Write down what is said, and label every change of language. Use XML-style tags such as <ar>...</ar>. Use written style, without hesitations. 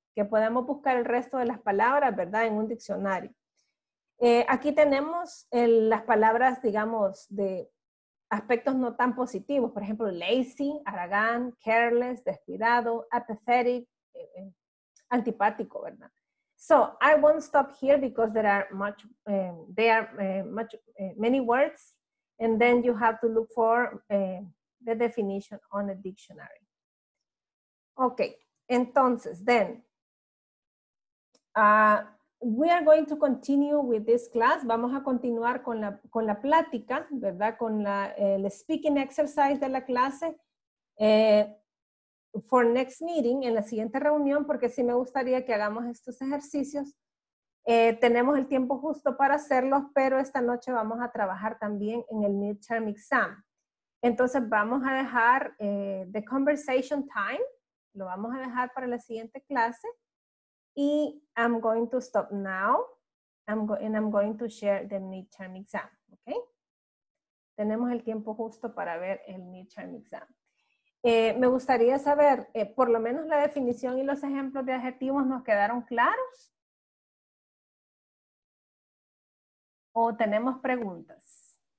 <es>Que podamos buscar el resto de las palabras, ¿verdad? En un diccionario. Aquí tenemos las palabras, digamos, de aspectos no tan positivos, por ejemplo, lazy, haragán, careless, descuidado, apathetic, antipático, ¿verdad?</es> <en>So, I won't stop here because there are many words, and then you have to look for the definition on a dictionary. Okay, entonces, then, we are going to continue with this class.</en> <es>Vamos a continuar con la plática, ¿verdad? Con el speaking exercise de la clase</es> <en>for next meeting,</en> <es>en la siguiente reunión, porque sí me gustaría que hagamos estos ejercicios. Tenemos el tiempo justo para hacerlos, pero esta noche vamos a trabajar también en el midterm exam. Entonces vamos a dejar</es> <en>the conversation time,</en> <es>lo vamos a dejar para la siguiente clase.</es> <en>Y I'm going to stop now, and I'm going to share the midterm exam, okay?</en> <es>Tenemos el tiempo justo para ver el midterm exam. Me gustaría saber, por lo menos la definición y los ejemplos de adjetivos, ¿nos quedaron claros? ¿O tenemos preguntas?</es>